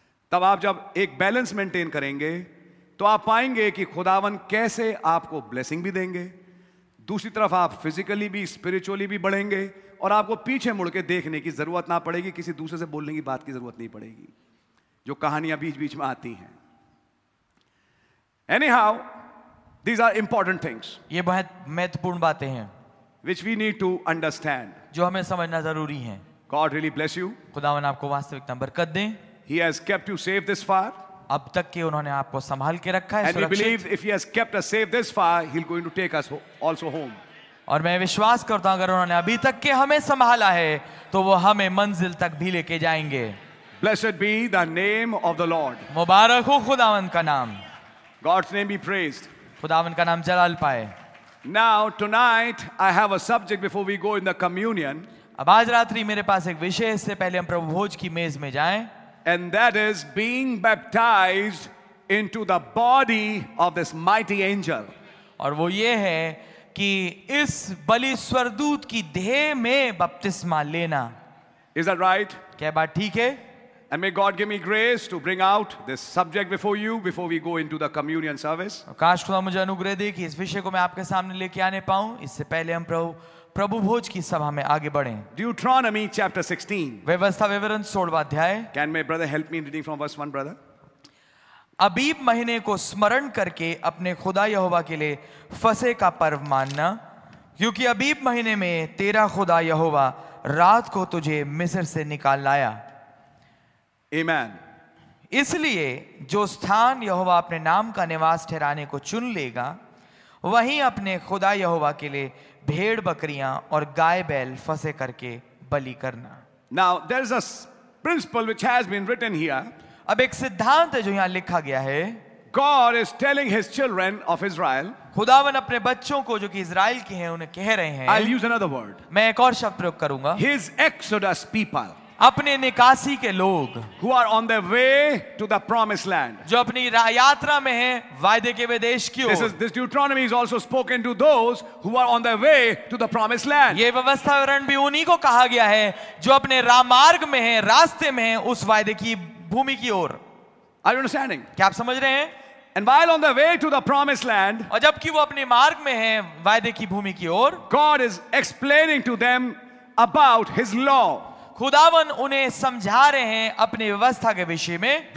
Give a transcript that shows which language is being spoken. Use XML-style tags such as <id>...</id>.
<hi>तब आप जब एक बैलेंस मेंटेन करेंगे तो आप पाएंगे कि खुदावन कैसे आपको ब्लेसिंग भी देंगे, दूसरी तरफ आप फिजिकली भी स्पिरिचुअली भी बढ़ेंगे, और आपको पीछे मुड़के देखने की जरूरत ना पड़ेगी, किसी दूसरे से बोलने की बात की जरूरत नहीं पड़ेगी, जो कहानियां बीच बीच में आती हैं।</hi> <en>Anyhow, these are important things.</en> <hi>ये बहुत महत्वपूर्ण बातें हैं,</hi> <en>which we need to understand.</en> <hi>जो हमें समझना जरूरी हैं.</hi> <en>God really bless you.</en> <hi>खुदावन आपको वास्तविकता बरकत दें.</hi> <en>He has kept you safe this far.</en> <hi>अब तक के उन्होंने आपको संभाल के रखा है.</hi> <en>And we believe if he has kept us safe this far, he's going to take us also home.</en> <hi>और मैं विश्वास करता हूँ, अगर उन्होंने अभी तक के हमें संभाला है, तो वो हमें मंजिल तक भी लेके जाएंगे.</hi> <en>Blessed be the name of the Lord.</en> <hi>मुबारक हो खुदावन का नाम.</hi> <en>God's name be praised.</en> <hi>खुदावन का नाम जलाल पाए.</hi> <en>Now tonight I have a subject before we go in the communion.</en> <hi>अब आज रात्रि मेरे पास एक विषय है, इससे पहले हम प्रभु भोज की मेज में जाएं.</hi> <en>And that is being baptized into the body of this mighty angel.</en> <hi>और वो ये है कि इस बलि स्वर्दूत की देह में बपतिस्मा लेना.</hi> <en>Is that right?</en> <hi>क्या बात ठीक है?</hi> <en>And may God give me grace to bring out this subject before you before we go into the communion service.</en> <hi>काश खुदा मुझे अनुग्रह दे कि इस विषय को मैं आपके सामने लेके आने पाऊं, इससे पहले हम प्रभु भोज की सभा में आगे बढ़ें.</hi> <en>Deuteronomy chapter 16.</en> <hi>व्यवस्था विवरण 16वां अध्याय.</hi> <en>Can my brother help me in reading from verse 1, brother?</en> <hi>अबीब महीने को स्मरण करके अपने खुदा यहोवा के लिए फसे का पर्व मानना, क्योंकि अबीब महीने में तेरा खुदा यहोवा रात को तुझे मिस्र से निकाल लाया.</hi> <en>Amen.</en> <hi>इसलिए जो स्थान यहोवा अपने नाम का निवास ठहराने को चुन लेगा, वहीं अपने खुदा यहोवा के लिए भेड़ बकरियां और गाय बैल फसे करके बलि करना.</hi> <en>Now there is a principle which has been written here.</en> <hi>अब एक सिद्धांत है जो यहां लिखा गया है.</hi> <en>God is telling his children of Israel.</en> <hi>खुदावन अपने बच्चों को जो कि इज़राइल के हैं उन्हें कह रहे हैं.</hi> <en>I'll use another word.</en> <hi>मैं एक और शब्द प्रयोग करूंगा.</hi> <en>His Exodus people.</en> <hi>अपने निकासी के लोग</hi> <en>who are on their way to the promised land</en> <hi>जो अपनी यात्रा में हैं वायदे के विदेश की ओर</hi> <en>this Deuteronomy is also spoken to those who are on their way to the promised land</en> <hi>यह व्यवस्थावरण भी उन्हीं को कहा गया है जो अपने रामार्ग में हैं रास्ते में हैं उस वायदे की भूमि की ओर</hi> <en>are you understanding</en> <hi>क्या आप समझ रहे हैं</hi> <en>And while on the way to the promised land,</en> <hi>और जबकि वो अपने मार्ग में हैं वायदे की भूमि की ओर,</hi> <en>God is explaining to them about His law.</en> <hi>खुदावन उन्हें समझा रहे हैं अपने व्यवस्था के विषय में,</hi>